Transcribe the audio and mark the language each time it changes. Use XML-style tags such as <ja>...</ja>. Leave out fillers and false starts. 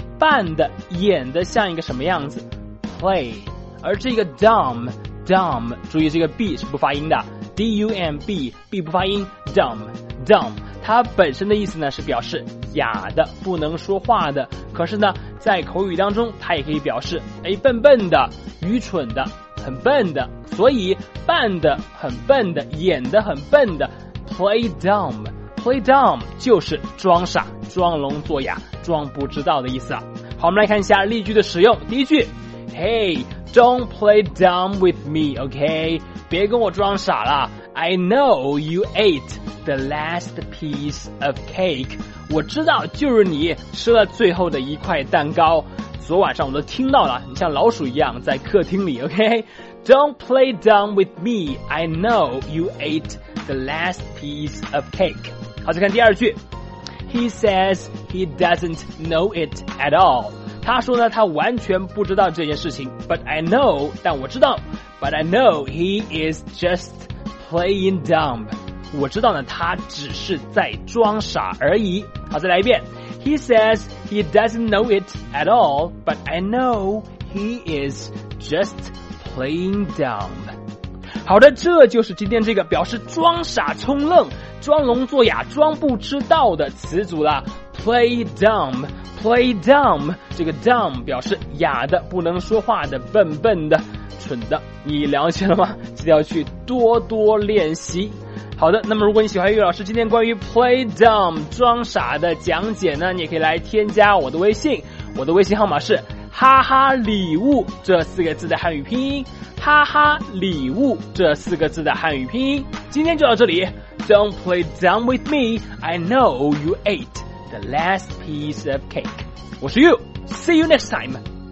<zh>扮的演的像一个什么样子 play， 而这个 dumb 注意这个 b 是不发音的， dumb b 不发音， dumb 它本身的意思呢是表示哑的，不能说话的，可是呢在口语当中它也可以表示笨笨的、愚蠢的、很笨的，所以扮的很笨的、演的很笨的 play dumb 就是装傻、装聋作哑、装不知道的意思。好，我们来看一下例句的使用。第一句，</zh> <en>Hey, don't play dumb with me, okay?</en> <zh>别跟我装傻了。</zh> <en>I know you ate the last piece of cake.</en> <zh>我知道就是你吃了最后的一块蛋糕，昨晚上我都听到了，你像老鼠一样在客厅里， okay?</zh> <en>Don't play dumb with me. I know you ate the last piece of cake.</en> <zh>好，再看第二句，</zh> <en>He says he doesn't know it at all.</en> <zh>他说呢，他完全不知道这件事情。</zh> <en>But I know he is just playing dumb.</en> <zh>我知道呢，他只是在装傻而已。好，再来一遍。</zh> <en>He says he doesn't know it at all. But I know he is just playing dumb.</en> <zh>好的，这就是今天这个表示装傻充愣、装聋作哑、装不知道的词组了。 play dumb 这个 dumb 表示哑的、不能说话的、笨笨的、蠢的，你了解了吗？记得要去多多练习。好的，那么如果你喜欢岳老师今天关于 play dumb 装傻的讲解呢，你也可以来添加我的微信，我的微信号码是哈哈礼物这四个字的汉语拼音，哈哈礼物这四个字的汉语拼音。今天就到这里，</zh> <en>Don't play dumb with me. I know you ate the last piece of cake.</en> <zh>我是</zh> <en>You. See you next time.</en>